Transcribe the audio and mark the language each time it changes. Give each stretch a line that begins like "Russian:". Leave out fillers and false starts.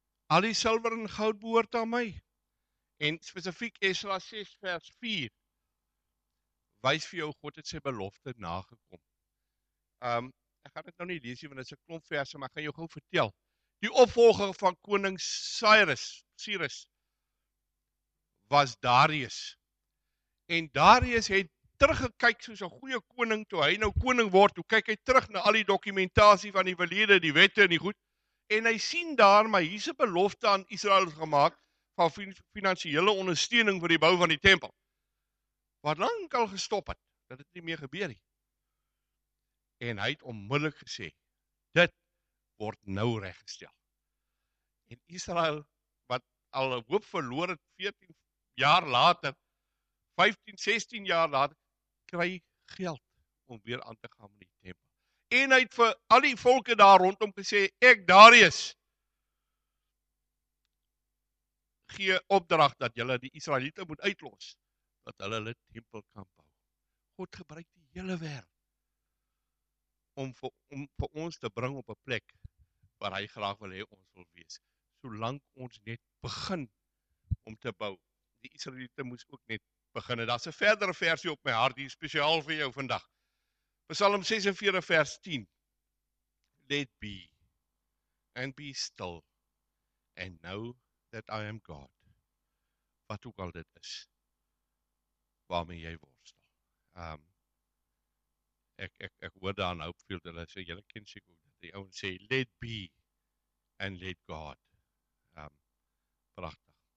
Afrikaans: Al die silwer en goud behoort aan my. En spesifiek Esra 6 vers 4, wys vir jou God het sy belofte nagekom. Ek gaan dit nou nie lees nie, want dit is 'n klomp verse, maar ek gaan jou gou vertel. Die opvolger van koning Cyrus was Darius. En Darius het teruggekyk soos 'n goeie koning toe hy nou koning word, toe kyk hy terug na al die dokumentasie van die verlede, die wette en die goed, en hy sien daar maar hier's 'n belofte aan Israel gemaak van finansiële ondersteuning vir die bou van die tempel. Wat lank al gestop het, dat het nie meer gebeur nie. En hy het onmiddellik gesê, dit word nou reggestel. En Israel, wat al hoop verloor het 14 jaar later, 15, 16 jaar later, kry geld om weer aan te gaan met die tempel. En hy het vir al die volke daar rondom gesê, ek Darius, gee opdrag dat julle die Israeliete moet uitlos, dat hulle hulle tempel kan bou. God gebruik die hele wêreld om vir ons te bring op 'n plek waar hy graag wil hê ons wil wees. Solank ons net begin om te bou. Die Israeliete moes ook net begin. Daar's 'n verdere versie op my hart hier spesiaal vir jou vandag. Psalm 46 vers 10.
English: Let be and be still and know that I am God.
Afrikaans: Wat ook al dit is, waarmee jy worstel. Ek hoor daar in Hopefield, hulle sê, julle ken seker, die ouens sê, let be and let God. Prachtig.